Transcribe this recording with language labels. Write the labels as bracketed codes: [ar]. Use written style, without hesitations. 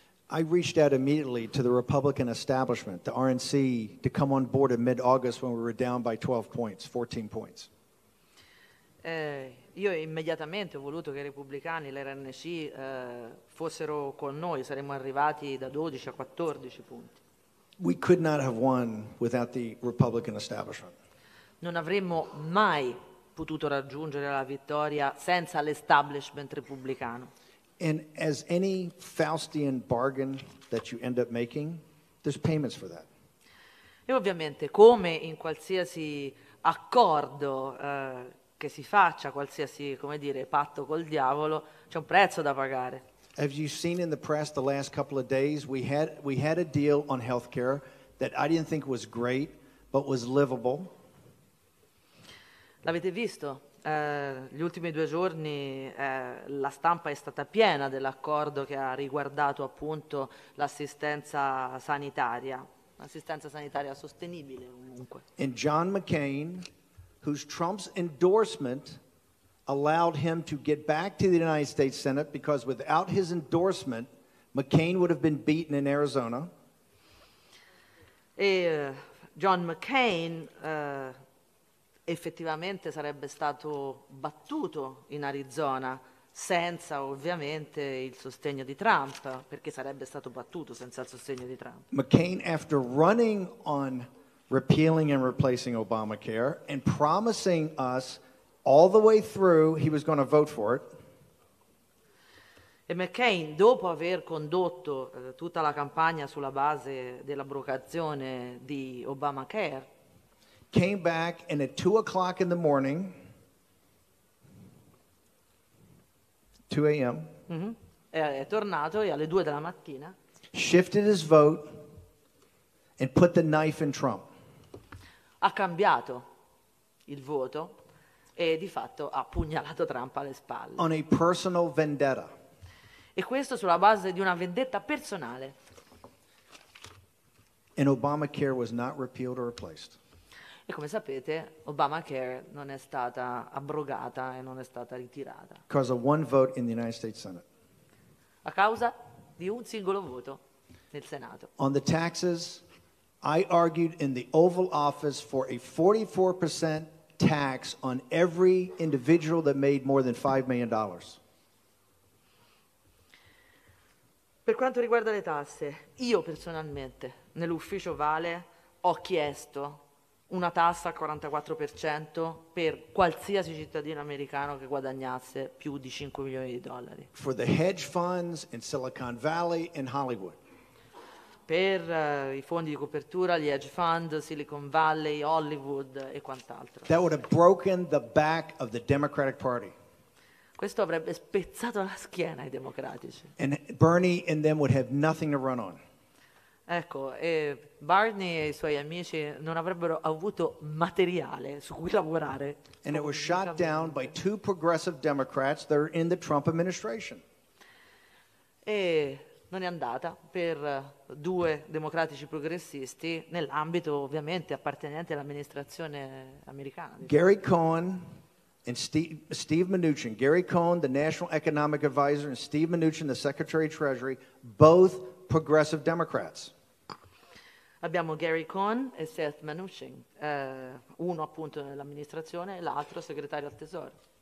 [en] I reached out immediately to the Republican establishment, the RNC, to come on board in mid-August when we were down by 12 points, 14 points. [it] Io immediatamente ho voluto che i repubblicani, l'RNC, fossero con noi. Saremmo arrivati da 12 a 14 punti. [en] We could not have won without the Republican establishment. [it] Non avremmo mai potuto raggiungere la vittoria senza l'establishment repubblicano. [en] And as any Faustian bargain that you end up making, there's payments for that. [it] E ovviamente, come in qualsiasi accordo che si faccia, qualsiasi, come dire, patto col diavolo, c'è un prezzo da pagare. [en] Have you seen in the press the last couple of days, we had a deal on healthcare that I didn't think was great, but was livable. [it] L'avete visto? Gli ultimi due giorni la stampa è stata piena dell'accordo che ha riguardato appunto l'assistenza sanitaria sostenibile comunque. [en] And John McCain, whose Trump's endorsement allowed him to get back to the United States Senate, because without his endorsement McCain would have been beaten in Arizona. [it] E John McCain effettivamente sarebbe stato battuto in Arizona senza ovviamente il sostegno di Trump, perché sarebbe stato battuto senza il sostegno di Trump. [en] McCain, after running on repealing and replacing Obamacare and promising us all the way through he was going to vote for it. [it] E McCain, dopo aver condotto tutta la campagna sulla base dell'abrogazione di Obamacare, [en] came back and at 2 o'clock in the morning, 2 a.m. [it] È tornato e alle 2 della mattina [en] shifted his vote and put the knife in Trump. [it] Ha cambiato il voto e di fatto ha pugnalato Trump alle spalle. [en] On a personal vendetta. [it] E questo sulla base di una vendetta personale. [en] And Obamacare was not repealed or replaced. [it] E come sapete, Obamacare non è stata abrogata e non è stata ritirata. [en] Because of one vote in the United States Senate. [it] A causa di un singolo voto nel Senato. [en] On the taxes, I argued in the Oval Office for a 44% tax on every individual that made more than $5 million. [it] Per quanto riguarda le tasse, io personalmente, nell'ufficio Vale, ho chiesto una tassa al 44% per qualsiasi cittadino americano che guadagnasse più di 5 milioni di dollari. [en] For the hedge funds in Silicon Valley and Hollywood. [it] Per i fondi di copertura, gli hedge fund, Silicon Valley, Hollywood e quant'altro. [en] That would have broken the back of the Democratic Party. [it] Questo avrebbe spezzato la schiena ai democratici. [en] And Bernie and them would have nothing to run on. [it] Ecco, e Barney e i suoi amici non avrebbero avuto materiale su cui lavorare. [en] And it was shot down by two progressive Democrats that are in the Trump administration. [it] E non è andata per due democratici progressisti nell'ambito ovviamente appartenente all'amministrazione americana. [en] Gary Cohn and Steve Mnuchin. Gary Cohn, the National Economic Advisor, and Steve Mnuchin, the Secretary of Treasury, both progressive Democrats. [it] Abbiamo Gary Cohn e Seth Mnuchin, uno appunto nell'amministrazione e l'altro segretario al tesoro.